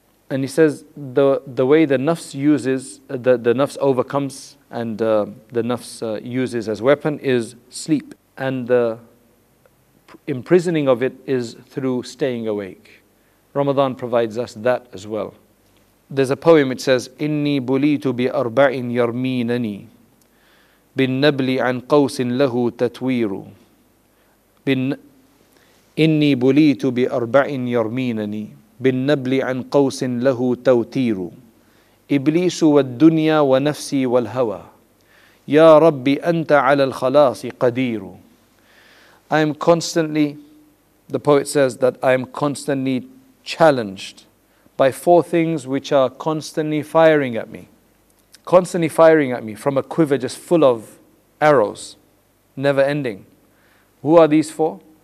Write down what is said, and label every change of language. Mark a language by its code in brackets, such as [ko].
[en] And he says, the way the nafs uses, the nafs overcomes, and the nafs uses as weapon is sleep. And the imprisoning of it is through staying awake. Ramadan provides us that as well. There's a poem, it says, [ar] إِنِّي بُلِيتُ بِأَرْبَعٍ يَرْمِينَنِي بِالنَّبْلِ عَنْ قَوْسٍ لَهُ تَتْوِيرُ إِنِّي بُلِيتُ بِأَرْبَعٍ يَرْمِينَنِي بِالنَّبْلِ عَنْ قَوْسٍ لَهُ تَوْتِيرُ إِبْلِيسُ وَالدُّنْيَا وَنَفْسِي وَالْهَوَى يَا رَبِّ أَنْتَ عَلَى الْخَلَاصِ قَدِيرُ. [en] I am constantly, the poet says, that I am constantly challenged by four things which are constantly firing at me. Constantly firing at me from a quiver just full of arrows, never ending. Who are these four?